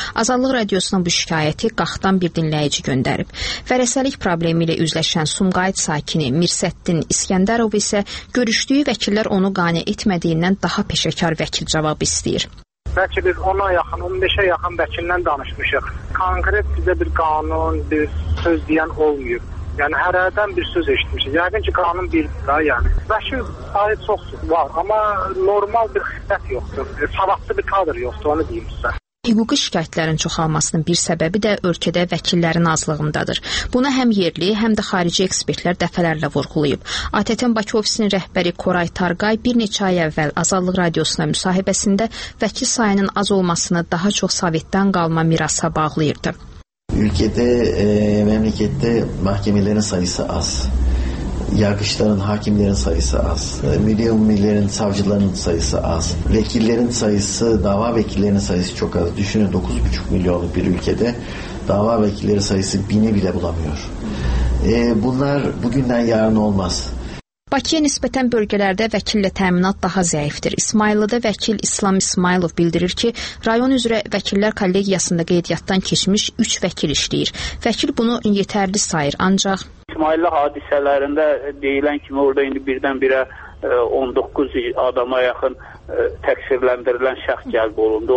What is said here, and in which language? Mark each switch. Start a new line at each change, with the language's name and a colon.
Azerbaijani: Azadlıq radiosuna bu şikayəti Qaxdan bir dinləyici göndərib. Vərəsəlik problemi ilə üzləşən Sumqayıt sakini Mirsəddin İskəndərov isə görüşdüyü vəkillər onu qane etmədiyindən daha peşəkar vəkil cavabı istəyir. Bəlkə biz 10-a yaxın, 15-ə yaxın vəkillə danışmışıq. Konkret bizə bir qanun, bir söz deyən olmuyor. Yəni, hər ədən bir söz eşitmişsiniz. Yəqin ki, qanun bir daha yəni. Vəkil sayı çox var, amma normal bir xidmət yoxdur. Savadlı bir kadr yoxdur, onu deyim sizə. Hüquqi şikayətlərin çoxalmasının bir səbəbi də ölkədə vəkillərin azlığındadır. Buna həm yerli, həm də xarici ekspertlər dəfələrlə vurğulayıb. ATƏT-in Bakı ofisinin rəhbəri Koray Targay bir neçə ay əvvəl Azadlıq Radiosuna müsahibəsində vəkil sayının az olmasını daha çox Sovetdən qalma mirasa bağlayırdı.
Turkish: Ülkədə, məmləkətdə məhkəmələrin sayısı az, yargıçların, hakimlerin sayısı az, milli umumilerin, savcıların sayısı az, vekillerin sayısı, dava vekillerinin sayısı çok az. Düşünün 9,5 milyonluk bir ülkede dava vekilleri sayısı 1000'i bile bulamıyor. Bunlar bugünden yarın olmaz.
Azerbaijani: Bakıya nisbətən bölgələrdə vəkillə təminat daha zəifdir. İsmaylıda vəkil İslam İsmaylov bildirir ki, rayon üzrə vəkillər kollegiyasında qeydiyyatdan keçmiş 3 vəkil işləyir. Vəkil bunu yetərli sayır, ancaq... İsmaylı hadisələrində deyilən kimi orada indi birdən-birə 19 adama yaxın təqsirləndirilən şəxs cəlb olundu.